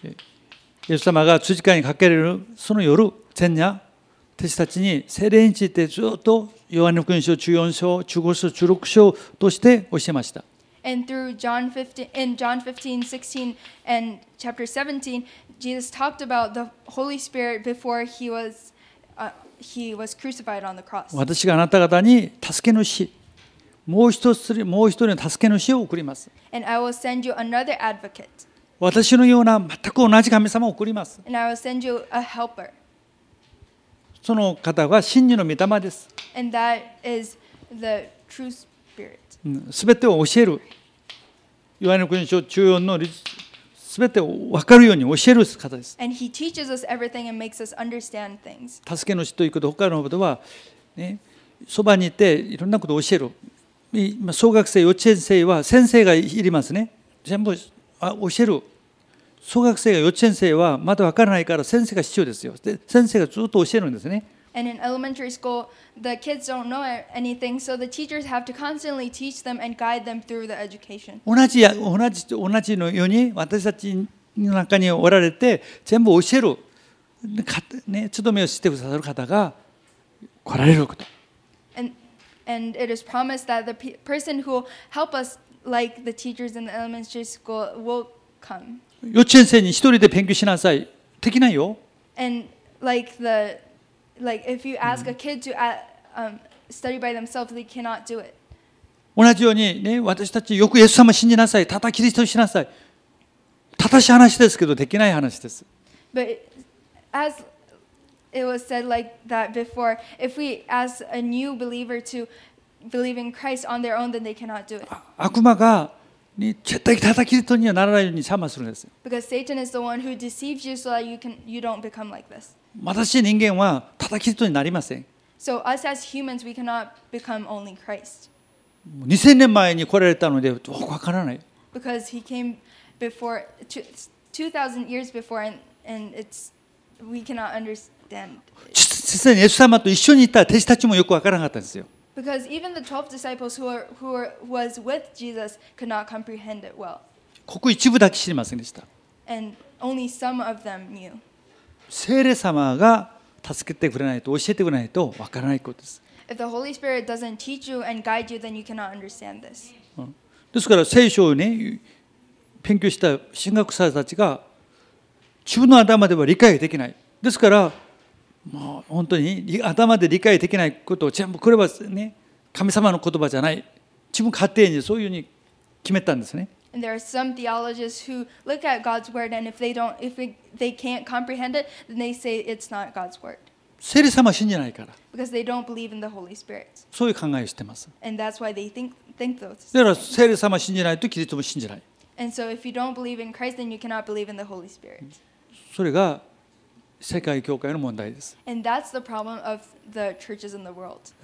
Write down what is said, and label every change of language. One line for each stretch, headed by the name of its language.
Japanese: イエス様が十字架にかけられるその夜、前夜、弟子たちに聖霊についてずっとヨハネ福音書14章、15章、16章として教えました。
English: And through John 15, in John 15, 16, and chapter 17, Jesus talked about the Holy Spirit before he was crucified on the cross.
Japanese: 私があなた方に助け主、もう一人の助け主を送ります。
English: And I will send you another advocate.
Japanese: 私のような全く同じ神様を送ります。
English: And I will send you a helper.
Japanese: その方は真理の御霊です。
English: And that is the true spirit.
Japanese: すべてを教える。ヨハネ福音書14のすべてを分かるように教える方です。
English: And he teaches us everything and makes us understand things.
Japanese: 助け主ということ、他のことは、ね、そばにいていろんなことを教える。小学生、幼稚園生は先生がいりますね。全部教える。小学生や幼稚園生はまだ分からないから先生が必要ですよ。で、先生がずっと教えるんですね。
English: And in elementary school, the kids don't know anything, so the teachers have to constantly teach them and guide them through the education.
Japanese: 同じ、同じ、同じのように私たち中におられて全部教えるね、つどめをしてくださる方が来られること。
English: and it is promised that the person who will help us like the teachers in the elementary school will come.
Japanese: 幼稚園生に一人で勉強しなさいできないよ。
English: and like the like if you ask a kid to study by themselves they cannot do it.
Japanese: 同じようにね、私たちよくイエス様信じなさい、ただキリストを信じなさい、正しい話ですけどできない話です。
English: but as it was said like that before, if we ask a new believer to believe in Christ on their own, then they cannot do it.
Japanese: 悪魔が絶対ただキリストにはならないように邪魔するんです。
English: Because Satan is the one who deceives you so that you don't become like this.
Japanese: 私人間はただキリストになりません。
English: So us as humans, we cannot become only Christ.
Japanese: 2000年前に来られたのでどうかわからない。
English: Because he came before 2000 years before and it's we cannot understand.
Japanese: 実際にイエス様と一緒にいた弟子たちもよくわからなかったんですよ。
English: Because even the 12 disciples who was with Jesus could not comprehend it well.
Japanese: ここ一部だけ知りませんでした。
English: And only some of them knew.
Japanese: 聖霊様が助けてくれないと教えてくれないとわからないことです。
English: If the Holy Spirit doesn't teach you and guide you, then you cannot understand this.
Japanese: ですから聖書をね勉強した神学者たちが自分の頭では理解できない。ですから、もう本当に頭で理解できないことを全部、これはね、神様の言葉じゃない。自分勝手にそういうふうに決めたんですね。
English: And there are some theologians who look at God's word and if they can't comprehend it, then they say it's not God's word.
Japanese: 聖霊様は信じないから。
English: Because they don't believe in the Holy Spirit.
Japanese: そういう考えをしています。
English: And that's why they think those things.
Japanese: だから聖霊様は信じないとキリストも信じない。
English: And so, if you don't believe in Christ, then you cannot believe in the Holy Spirit.
Japanese: それが世界教会の問題です。
English: And that's the problem of the churches in the world.